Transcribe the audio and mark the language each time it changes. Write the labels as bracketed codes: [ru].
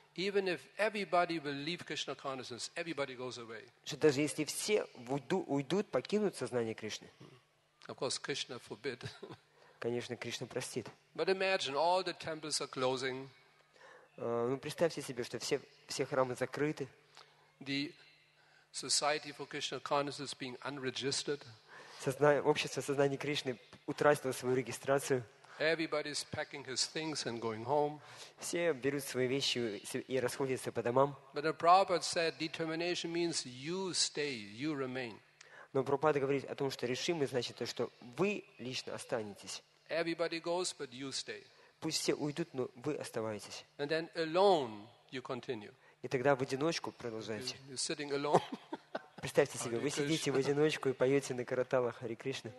[en] Even if everybody will leave Krishna consciousness, everybody goes away. [ru] Что даже если все уйдут, покинут сознание Кришны. [en] Of course, Krishna forbid. [ru] Конечно, Кришна простит. [en] But imagine all the temples are closing. [ru] Вы представьте себе, что все храмы закрыты. [en] The Society for Krishna Consciousness is being unregistered. [ru] Общество сознания Кришны утратило свою регистрацию. [en] Everybody's packing his things and going home. [ru] Все берут свои вещи и расходятся по домам. [en] But the Prabhupada said determination means you stay, you remain. [ru] Но Прабхупада говорит о том, что решимость значит то, что вы лично останетесь. [en] Everybody goes, but you stay. [ru] Пусть все уйдут, но вы оставайтесь. [en] And then alone you continue. [ru] И тогда в одиночку продолжайте. [en] You're sitting alone. [ru] Представьте себе, вы сидите в одиночку и поете на караталах Харе Кришны.